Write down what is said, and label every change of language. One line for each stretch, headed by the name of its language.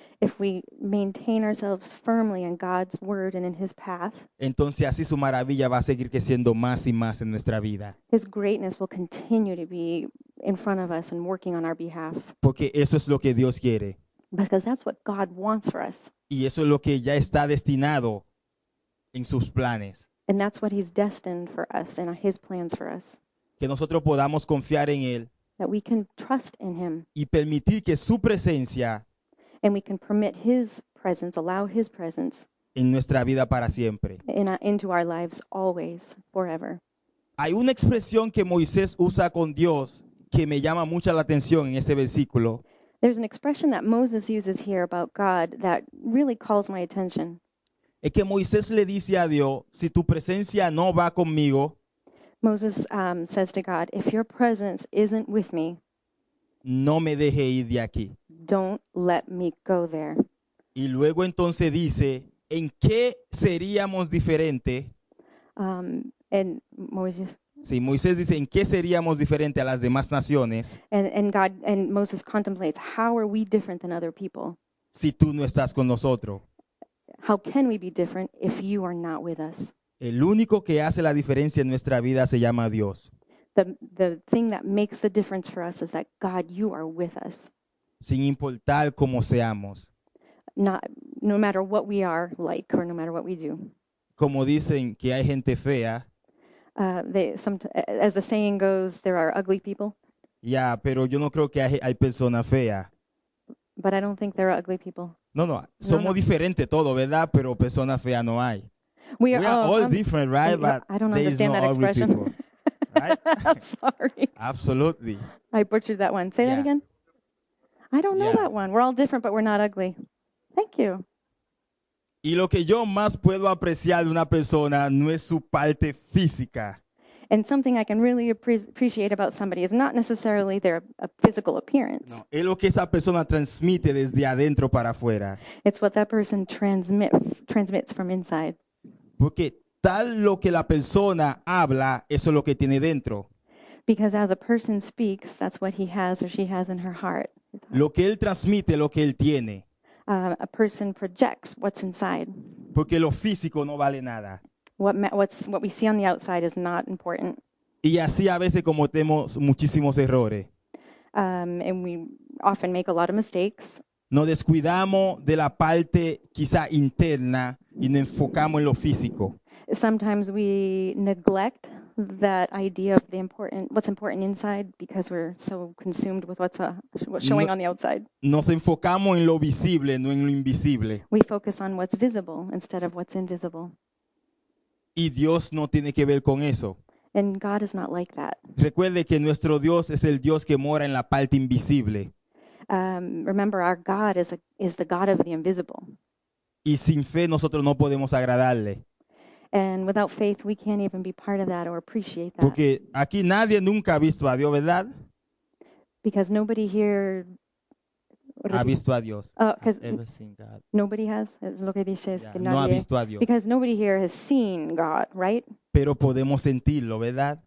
English: if we maintain ourselves firmly in God's word and in his path,
Spanish: entonces así su maravilla va a seguir creciendo más y más en nuestra vida.
English: His greatness will continue to be in front of us and working on our behalf.
Spanish: Porque eso es lo que Dios quiere.
English: Because that's what God wants for us.
Spanish: Y eso es lo que ya está destinado en sus planes.
English: And that's what he's destined for us and his plans for us.
Spanish: Que nosotros podamos confiar en él.
English: That we can trust in him.
Spanish: Y permitir que su presencia,
English: and we can permit his presence, allow his presence,
Spanish: en nuestra vida para siempre.
English: Into our lives always, forever.
Spanish: Hay una expresión que Moisés usa con Dios que me llama mucho la atención en este versículo.
English: There's an expression that Moses uses here about God that really calls my attention.
Spanish: Es que Moisés le dice a Dios, si tu presencia no va conmigo,
English: Moses says to God, if your presence isn't with me,
Spanish: no me deje ir de aquí.
English: Don't let me go there.
Spanish: Y luego entonces dice, ¿en qué seríamos diferente? Moisés dice, ¿en qué seríamos diferente a las demás naciones?
English: And Moses contemplates, how are we different than other people?
Spanish: Si tú no estás con nosotros.
English: How can we be different if you are not with us?
Spanish: El único que hace la diferencia en nuestra vida se llama Dios.
English: The thing that makes the difference for us is that God, you are with us.
Spanish: Sin importar cómo seamos.
English: No matter what we are like or no matter what we do.
Spanish: Como dicen que hay gente fea.
English: As the saying goes, there are ugly people.
Spanish: Yeah, pero yo no creo que hay persona fea.
English: But I don't think there are ugly people.
Spanish: No. Somos diferentes todos, ¿verdad? Pero persona fea no hay.
English: We are all different, right? But I don't understand no that expression. People, right? I'm sorry. Absolutely. I butchered that one. Say that again. I don't know that one. We're all different, but we're not ugly. Thank you.
Spanish: Y lo que yo más puedo apreciar de una persona no es su parte física.
English: And something I can really appreciate about somebody is not necessarily their physical appearance.
Spanish: No, es lo que esa persona transmite desde adentro para afuera.
English: It's what that person transmits from inside.
Spanish: Porque tal lo que la persona habla, eso es lo que tiene dentro.
English: Because as a person speaks, that's what he has or she has in her heart.
Spanish: Lo que él transmite, lo que él tiene.
English: A person projects what's inside.
Spanish: Porque lo físico no vale nada.
English: What we see on the outside is not important.
Spanish: Y así a veces cometemos muchísimos errores.
English: And we often make a lot of mistakes.
Spanish: Nos descuidamos de la parte quizá interna y nos enfocamos en lo físico.
English: Sometimes we neglect that idea of the important, what's important inside, because we're so consumed with what's showing on the outside.
Spanish: Nos enfocamos en lo visible, no en lo invisible.
English: We focus on what's visible instead of what's invisible.
Spanish: Y Dios no tiene que ver con eso.
English: And God is not like that.
Spanish: Recuerde que nuestro Dios es el Dios que mora en la parte invisible.
English: Remember, our God is the God of the invisible.
Spanish: Y sin fe nosotros no podemos agradarle.
English: And without faith, we can't even be part of that or appreciate that.
Spanish: Porque aquí nadie nunca ha visto a Dios, ¿verdad?
English: Because nobody here
Spanish: ha visto a Dios.
English: Nobody has.
Spanish: Es lo que dice, es que no ha visto a Dios.
English: Because nobody here has seen God, right?
Spanish: Pero podemos sentirlo, ¿verdad?